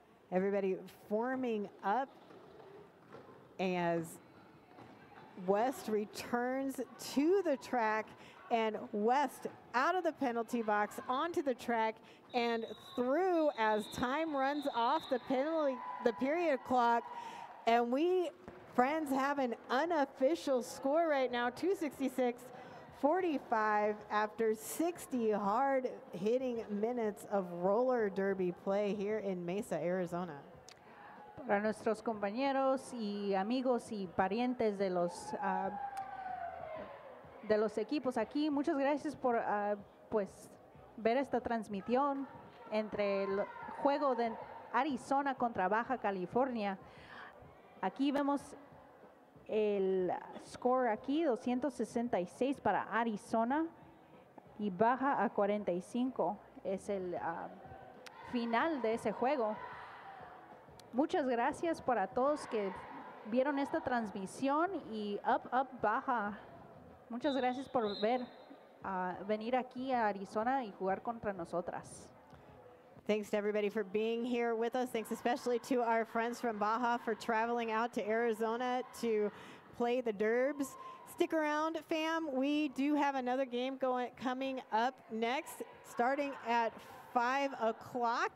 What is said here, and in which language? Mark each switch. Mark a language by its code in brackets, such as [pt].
[en] Everybody forming up as West returns to the track, and West out of the penalty box, onto the track, and through as time runs off the penalty, the period clock, and we, friends, have an unofficial score right now, 266-45 after 60 hard-hitting minutes of roller derby play here in Mesa, Arizona. [es] Para nuestros compañeros y amigos y parientes de los equipos aquí, muchas gracias por pues ver esta transmisión entre el juego de Arizona contra Baja California. Aquí vemos el score aquí, 266 para Arizona y Baja a 45. Es el final de ese juego. Muchas gracias para todos que vieron esta transmisión y Up Up Baja. Muchas gracias por ver venir aquí a Arizona y jugar contra nosotras. [en] Thanks to everybody for being here with us. Thanks especially to our friends from Baja for traveling out to Arizona to play the Derbs. Stick around, fam. We do have another game coming up next, starting at 5 o'clock.